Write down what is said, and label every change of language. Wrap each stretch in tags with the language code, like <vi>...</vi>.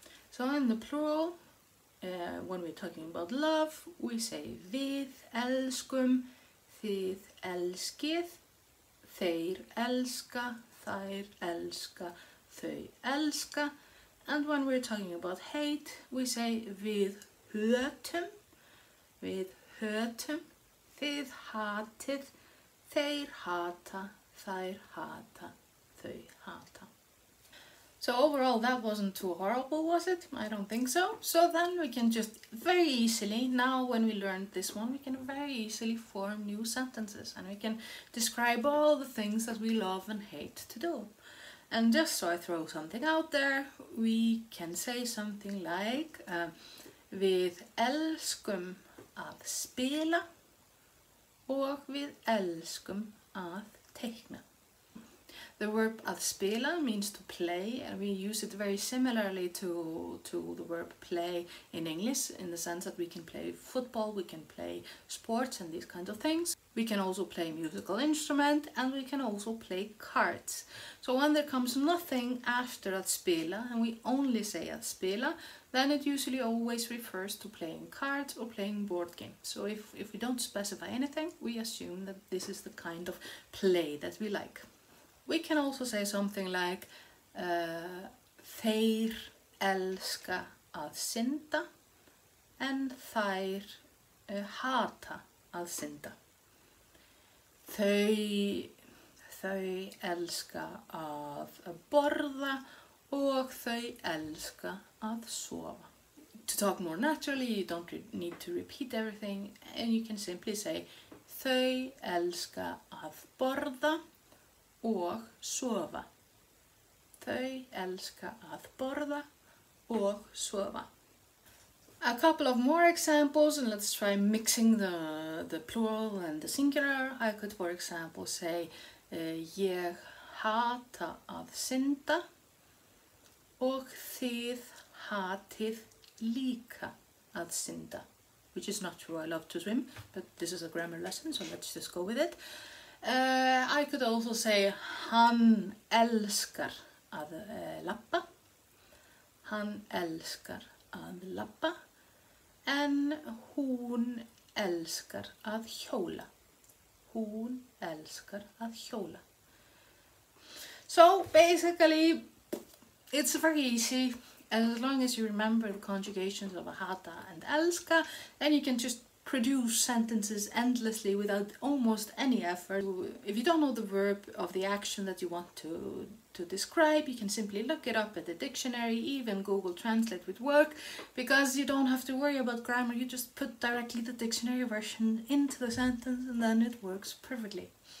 <en>So in the plural, when we're talking about love, we say</en> <is>við elskum, þið elskið, þeir elska, þær elska, þau elska.</is> <en>And when we're talking about hate, we say</en> <is>við hötum, þið hatið, þeir hata, þær hata, þau hata.</is> <en>So overall, that wasn't too horrible, was it? I don't think so. So then we can just very easily, now when we learned this one, we can very easily form new sentences and we can describe all the things that we love and hate to do. And just so I throw something out there, we can say something like</en> <is>við elskum að spila og við elskum að teikna.</is> <en>The verb að spila means to play, and we use it very similarly to the verb play in English, in the sense that we can play football, we can play sports and these kinds of things. We can also play musical instrument, and we can also play cards. So when there comes nothing after að spila and we only say að spila, then it usually always refers to playing cards or playing board games. So if we don't specify anything, we assume that this is the kind of play that we like. We can also say something like</en> <is>þeir elska að synda</is> <en>en þær hata að synda.</en> <is>Þau elska að borða og þau elska að sofa.</is> <en>To talk more naturally, you don't need to repeat everything, and you can simply say</en> <is>þau elska að borða og sofa. Þau elska að borða og sofa.</is> <en>A couple of more examples, and let's try mixing the plural and the singular. I could, for example, say</en> <is>ég hata að synda</is> <en>og þið hatið líka að synda, which is not true, I love to swim, but this is a grammar lesson, so let's just go with it. I could also say</en> <is>hann elskar að labba, hann elskar að labba, en hún elskar að hjóla, hún elskar að hjóla.</is> <en>So basically, it's very easy. As long as you remember the conjugations of hata and elska, then you can just produce sentences endlessly without almost any effort. If you don't know the verb of the action that you want to describe, you can simply look it up at the dictionary, even Google Translate would work, because you don't have to worry about grammar, you just put directly the dictionary version into the sentence and then it works perfectly.</en>